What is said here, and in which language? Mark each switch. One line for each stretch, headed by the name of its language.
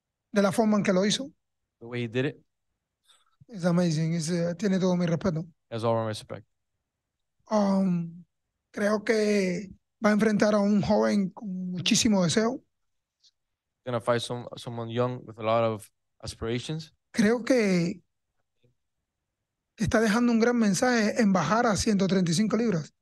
Spanish: De la forma en que lo hizo.
English: The way he did it. It's amazing.
Spanish: Tiene todo mi respeto.
English: Has all my respect.
Spanish: Creo que va a enfrentar a un joven con muchísimo deseo.
English: Gonna fight someone young with a lot of aspirations.
Spanish: Creo que está dejando un gran mensaje en bajar a 135 libras.